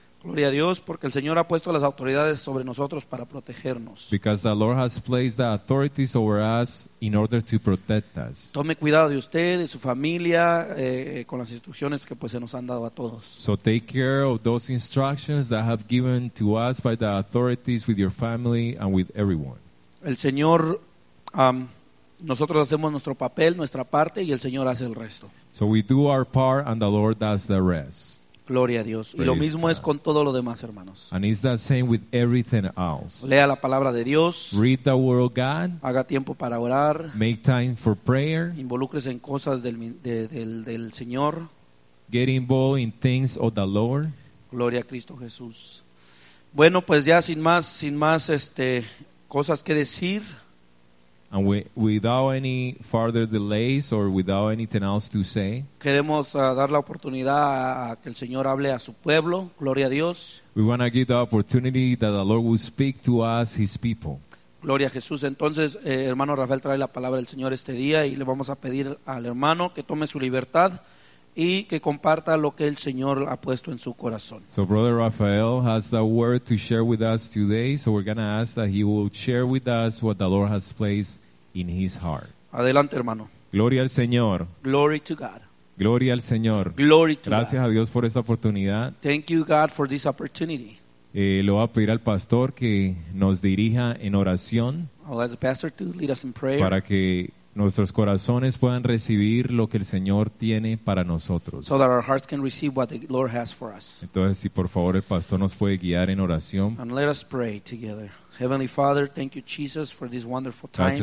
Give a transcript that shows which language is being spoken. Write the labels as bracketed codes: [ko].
[es] Gloria a Dios porque el Señor ha puesto las autoridades sobre nosotros para protegernos. [en] Because the Lord has placed the authorities over us in order to protect us. [es] Tome cuidado de usted, de su familia, con las instrucciones que pues se nos han dado a todos. [en] So take care of those instructions that have given to us by the authorities with your family and with everyone. [es] El Señor, nosotros hacemos nuestro papel, nuestra parte y el Señor hace el resto. [en] So we do our part and the Lord does the rest. [es] Gloria a Dios. Y lo mismo es con todo lo demás, hermanos. [en] And it's the same with everything else. [es] Lea la palabra de Dios. [en] Read the word of God. [es] Haga tiempo para orar. [en] Make time for prayer. [es] Involúcrese en cosas del Señor. [en] Get involved in things of the Lord. [es] Gloria a Cristo Jesús. Bueno, pues ya sin más cosas que decir. [en] And without any further delays or without anything else to say, [es] queremos dar la oportunidad a que el Señor hable a su pueblo. Gloria a Dios. [en] We want to give the opportunity that the Lord will speak to us, His people. [es] Gloria a Jesús. Entonces, hermano Rafael trae la palabra del Señor este día y le vamos a pedir al hermano que tome su libertad y que comparta lo que el Señor ha puesto en su corazón. [en] So Brother Rafael has the word to share with us today, so we're going to ask that he will share with us what the Lord has placed in his heart. [es] Adelante, hermano. Gloria al Señor. [en] Glory to God. [es] Gloria al Señor. [en] Glory to [es] Gracias [en] God. [es] A Dios por esta oportunidad. [en] Thank you God for this opportunity. [es] Lo va a pedir al pastor que nos dirija en oración. [en] I'll ask the pastor to lead us in prayer. [es] Para que nuestros corazones puedan recibir lo que el Señor tiene para nosotros. [en] So that our hearts can receive what the Lord has for us. [es] Entonces, si por favor el pastor nos puede guiar en oración. [en] And let us pray together. Heavenly Father, thank you Jesus for this wonderful time.